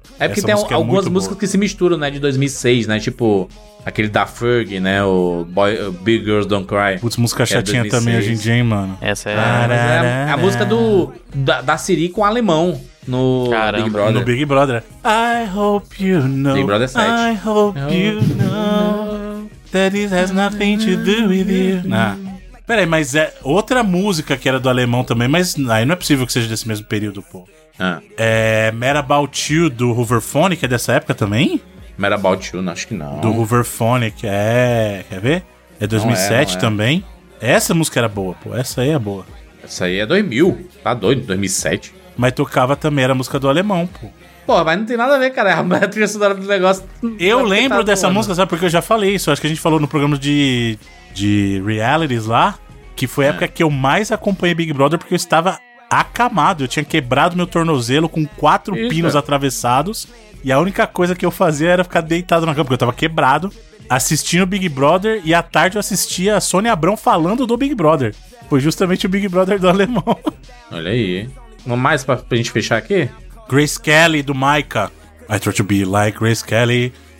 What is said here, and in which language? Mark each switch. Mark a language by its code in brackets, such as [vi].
[pt] É porque essa tem música algumas é músicas boa. Que se misturam, né? De 2006, né? Tipo, aquele da Ferg, né? O Boy, Big Girls Don't Cry. Putz, música chatinha é também hoje em dia, hein, mano? Essa é... A música do da Siri com o alemão no Caramba. Big Brother. No Big Brother. [en] I hope you know. [pt] Big Brother 7. [en] I hope you know that it has nothing to do with you. [pt] Nah. Peraí, mas é outra música que era do alemão também, mas aí não é possível que seja desse mesmo período, pô. Ah. É Mad About You, do Hooverphonic, que é dessa época também? Mad About You, não, acho que não. Do Hooverphonic, é... Quer ver? É 2007 também. Essa música era boa, pô. Essa aí é boa. Essa aí é 2000. Tá doido, 2007. Mas tocava também, era a música do alemão, pô. Pô, mas não tem nada a ver, cara. É a trilha sonora do negócio. Eu lembro dessa música, sabe? Porque eu já falei isso. Acho que a gente falou no programa de realities lá, que foi a época que eu mais acompanhei Big Brother, porque eu estava acamado, eu tinha quebrado meu tornozelo com 4 Eita. Pinos atravessados, e a única coisa que eu fazia era ficar deitado na cama, porque eu tava quebrado, assistindo Big Brother, e à tarde eu assistia a Sônia Abrão falando do Big Brother. Foi justamente o Big Brother do alemão. Olha aí. Não mais pra gente fechar aqui? Grace Kelly, do Micah. [en] I try to be like Grace Kelly.